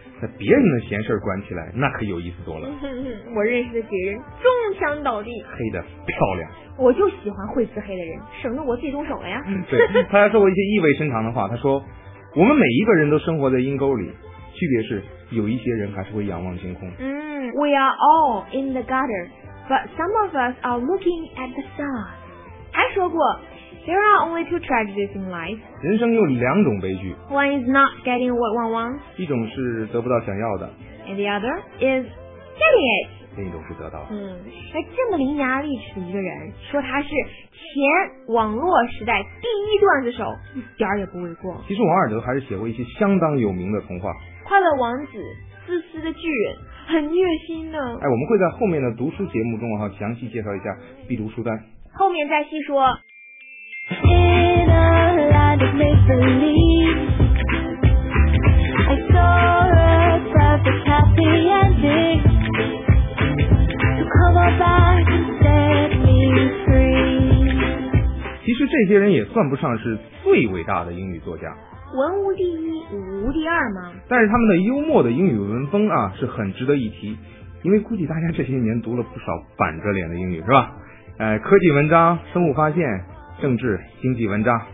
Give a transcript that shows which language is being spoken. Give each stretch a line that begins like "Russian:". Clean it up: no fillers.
Chinese: 在别人的闲事管起来，那可有意思多了。我认识的几个人中枪倒地，黑的漂亮。我就喜欢会自黑的人，省得我自己动手了呀。对，他还说过一些意味深长的话。他说，我们每一个人都生活在阴沟里，区别是有一些人还是会仰望星空。
English: We are all in the gutter, but some of us are looking at the stars.
Chinese: 还说过。
English: There are only two tragedies in life.
Chinese: 人生有两种悲剧。
English: One is not getting what one wants.
Chinese: 一种是得不到想要的。
English: And the other is getting it.
Chinese: 另一种是得到。那这么伶牙俐齿的一个人，说他是前网络时代第一段子手，一点儿也不为过。其实王尔德还是写过一些相当有名的童话。快乐王子，自私的巨人，很虐心呢。哎，我们会在后面的读书节目中啊，详细介绍一下必读书单。后面再细说。
English: In a land of make-believe, I saw a perfect happy ending. So come on back and set me free.
Chinese: 其实这些人也算不上是最伟大的英语作家。文无第一，武无第二吗？但是他们的幽默的英语文风啊，是很值得一提。因为估计大家这些年读了不少板着脸的英语，是吧？科技文章、生物发现。政治经济文章，